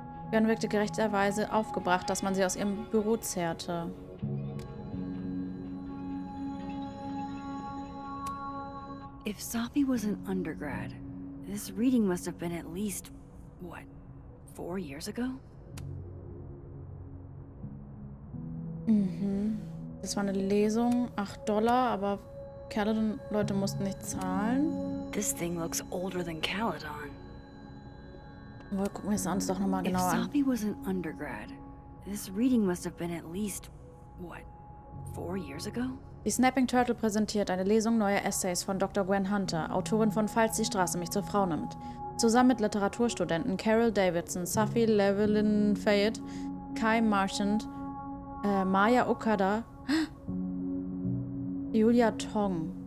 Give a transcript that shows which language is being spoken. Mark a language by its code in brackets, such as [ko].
[de] Gwen wirkte gerechterweise aufgebracht, dass man sie aus ihrem Büro zerrte. [en] If Safi was an undergrad, this reading must have been at least what, 4 years ago? Mhm. [de] Das war eine Lesung, $8, aber Caladon-Leute mussten nicht zahlen. [en] This thing looks older than Caladon. [de] Wir gucken uns das doch nochmal genauer an. [en] If Safi was an undergrad, this reading must have been at least, what, 4 years ago? [de] Die Snapping Turtle präsentiert eine Lesung neuer Essays von Dr. Gwen Hunter, Autorin von Falls die Straße mich zur Frau nimmt. Zusammen mit Literaturstudenten Carol Davidson, Safi Levelin Fayette, Kai Marchand, Maya Okada, Julia Tong.